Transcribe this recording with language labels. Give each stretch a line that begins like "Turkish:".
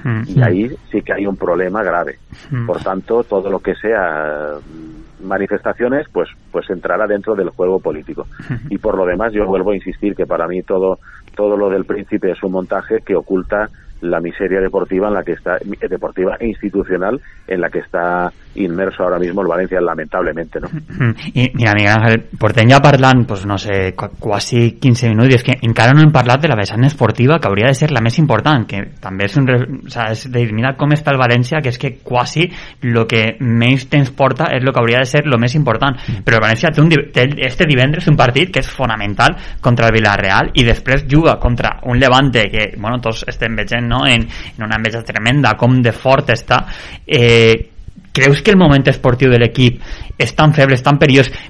Spanish: Y ahí sí que hay un problema grave. Por tanto, todo lo que sea manifestaciones, pues entrará dentro del juego político. Y por lo demás, yo vuelvo a insistir que para mí todo lo del príncipe es un montaje que oculta la miseria deportiva en la que está, deportiva e institucional, en la que está inmerso ahora mismo el Valencia, lamentablemente, ¿no?
Catalan: Y mira, Miguel Ángel, portem ja parlant,
Spanish: pues no sé,
Catalan: quasi 15 minuts, i és que encara no hem parlat de la vessant esportiva, que hauria de ser la més important, que també és un, és de dir, mira com està el València, que és que quasi lo que menys temps porta és lo que hauria de ser lo més important. Però el València té este divendres un partit que és fonamental contra el Villarreal, i després juga contra un Levante que, bueno, tots estem veient, no?, en una enveja tremenda com de fort està. ¿Creus que
Spanish: el momento esportivo del equipo
Catalan: es tan feble, es tan perillós?